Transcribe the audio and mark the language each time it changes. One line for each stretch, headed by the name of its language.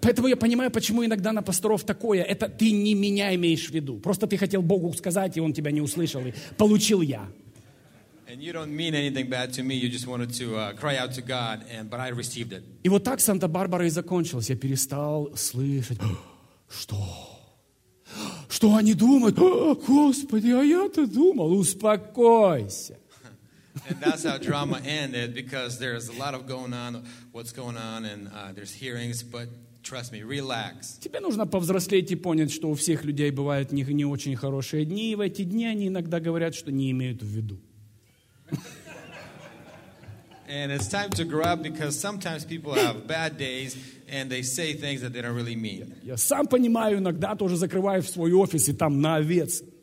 Russian: Поэтому я понимаю, почему иногда на пасторов такое. Это ты не меня имеешь в виду. Просто ты хотел Богу сказать, и он тебя не услышал, и получил я.
English: And you don't mean anything bad to me. You just wanted to cry out to God, but I received it.
Russian: И вот так Санта-Барбара и закончилась. Я перестал слышать. Что? Что они думают? Господи, а я-то думал. Успокойся.
English: And that's how drama ended, because there's a lot of going on, what's going on, and there's hearings, but trust me, relax.
Russian: Тебе нужно повзрослеть и понять, что у всех людей бывают не очень хорошие дни, и в эти дни они иногда говорят, что не имеют в виду.
English: And it's time to grow up, because sometimes people have bad days, and they say things that they don't really mean.
Russian: Я сам понимаю, иногда тоже закрываю в свой офис, и там на овец.